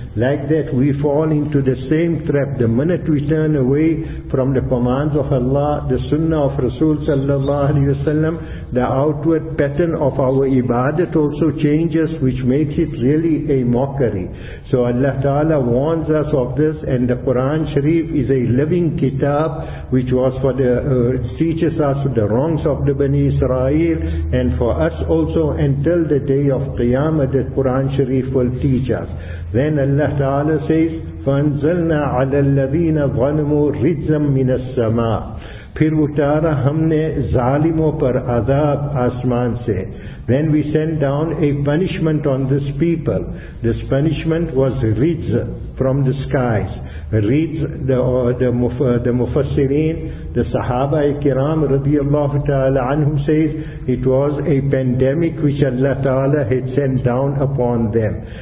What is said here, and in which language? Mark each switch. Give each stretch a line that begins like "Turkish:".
English: Like that we fall into the same trap. The minute we turn away from the commands of Allah, the sunnah of Rasul sallallahu alayhi wasallam, the outward pattern of our ibadat also changes, which makes it really a mockery. So Allah Ta'ala warns us of this, and the Quran Sharif is a living kitab which was for the teaches us the wrongs of the Bani Israel, and for us also until the day of Qiyamah the Quran Sharif will teach us. Then Allah Ta'ala says,
Arabic: فَانْزَلْنَا عَلَى الَّذِينَ ظَلَمُوا رِجْزًا مِنَ السَّمَاءِ.
Urdu: پھر اتارا ہم نے ظالموں پر عذاب آسمان سے.
English: Then we sent down a punishment on this people. This punishment was reeds from the skies. Reeds, the Mufassirin, the Sahaba Ikiram radiallahu ta'ala anhum says, it was a pandemic which Allah ta'ala had sent down upon them.